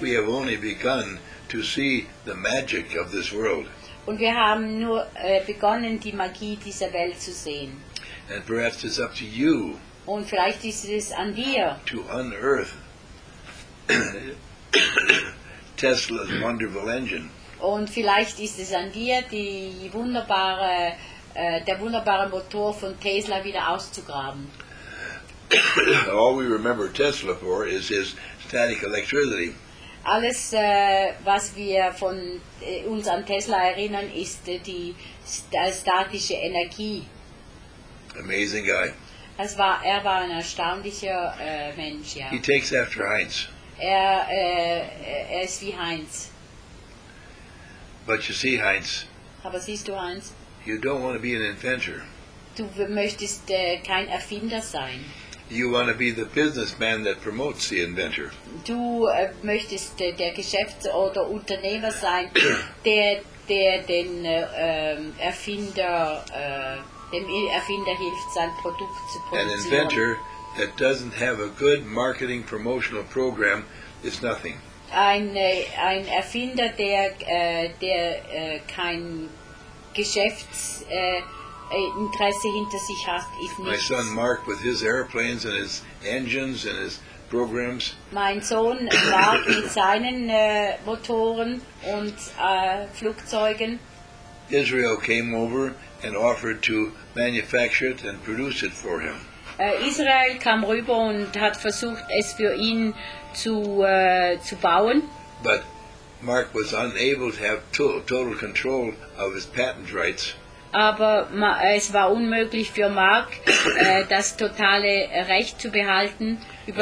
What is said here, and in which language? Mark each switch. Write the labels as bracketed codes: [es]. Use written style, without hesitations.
[en] We have only begun to see the magic of this world. [de] Und wir haben nur begonnen, die Magie dieser Welt zu sehen. [en] And perhaps it's up to you. [de] Und vielleicht ist es an dir. [en] To unearth Tesla's wonderful engine. [de] Und vielleicht ist es an dir, der wunderbare Motor von Tesla wieder auszugraben. [en] All we remember Tesla for is his static electricity. [de] Alles, was wir von uns an Tesla erinnern, ist die statische Energie. [en] Amazing guy. [de] Er war ein erstaunlicher Mensch, ja. [en] He takes after Heinz. [de] Er ist wie Heinz. [en] But you see, Heinz. [de] Aber siehst du, Heinz? [en] You don't want to be an inventor. [de] Du möchtest kein Erfinder sein. [en] You want to be the businessman that promotes the inventor. [de] Du möchtest der Geschäfts- oder Unternehmer sein, der den Erfinder dem Erfinder hilft, sein Produkt zu produzieren. [en] An inventor that doesn't have a good marketing promotional program is nothing. [de] Ein Erfinder, der kein Geschäfts Interesse hinter sich hat, ist nichts. [en] My son Mark with his airplanes and his engines and his programs. [de] Mein Sohn Mark mit seinen Motoren und Flugzeugen. [en] Israel came over and offered to manufacture it and produce it for him. [de] Israel kam rüber und hat versucht, es für ihn zu bauen. [en] But Mark was unable to have total control of his patent rights. [de] aber es war unmöglich für Mark, das totale Recht zu behalten über